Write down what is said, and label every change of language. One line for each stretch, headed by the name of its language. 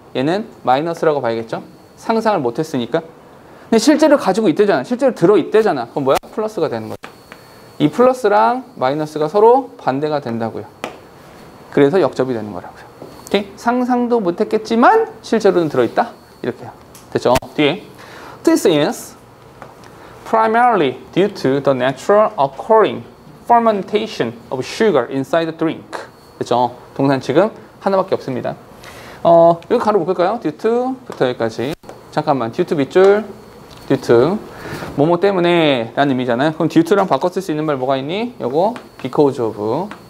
Korean: 얘는 마이너스라고 봐야겠죠? 상상을 못했으니까. 근데 실제로 가지고 있대잖아. 실제로 들어있대잖아. 그럼 뭐야? 플러스가 되는 거죠. 이 플러스랑 마이너스가 서로 반대가 된다고요. 그래서 역접이 되는 거라고요. 오케이? 상상도 못했겠지만 실제로는 들어있다. 이렇게요. 됐죠? 뒤에
English: This is primarily due to the natural occurring fermentation of sugar inside the drink.
Korean: 됐죠? 동사 지금 하나밖에 없습니다. 이거 가로 볼까요? Due to부터 여기까지. 잠깐만. Due to 밑줄. Due to. 뭐뭐 때문에 라는 의미잖아요. 그럼 due to랑 바꿔 쓸 수 있는 말 뭐가 있니? 요거 because of.